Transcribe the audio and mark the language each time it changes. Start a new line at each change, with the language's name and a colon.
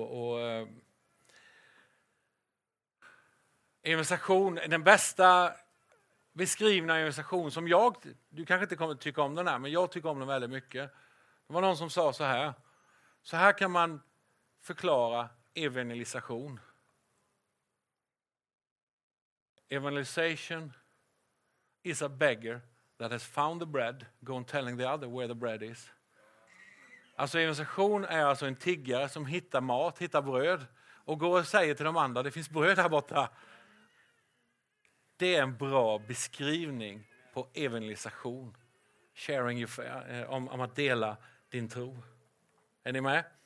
Swedish: Och evangelisation, den bästa beskrivna evangelisation som jag, du kanske inte kommer tycka om den här, men jag tycker om den väldigt mycket. Det var någon som sa så här. Så här kan man förklara evangelisation.
English: Evangelization is a beggar that has found the bread, gone telling the other where the bread is.
Swedish: Alltså evangelisation är alltså en tiggare som hittar mat, hittar bröd och går och säger till de andra, det finns bröd här borta. Det är en bra beskrivning på evangelisation.
English: Sharing your
Swedish: om att dela din tro. Är ni med?